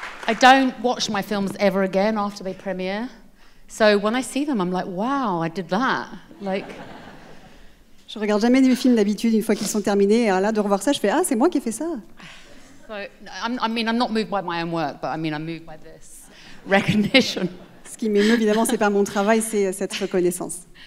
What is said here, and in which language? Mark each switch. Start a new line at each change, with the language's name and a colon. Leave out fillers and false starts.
English: I don't watch my films ever again after they premiere. So when I see them, I'm like, wow, I did that. Like.
French: Je regarde jamais mes films d'habitude une fois qu'ils sont terminés. Et là, de revoir ça, je fais ah, c'est moi qui ai fait ça.
English: So, I'm not moved by my own work, but I'm moved by this recognition.
French: Ce qui m'émeut évidemment, c'est pas mon travail, c'est cette reconnaissance.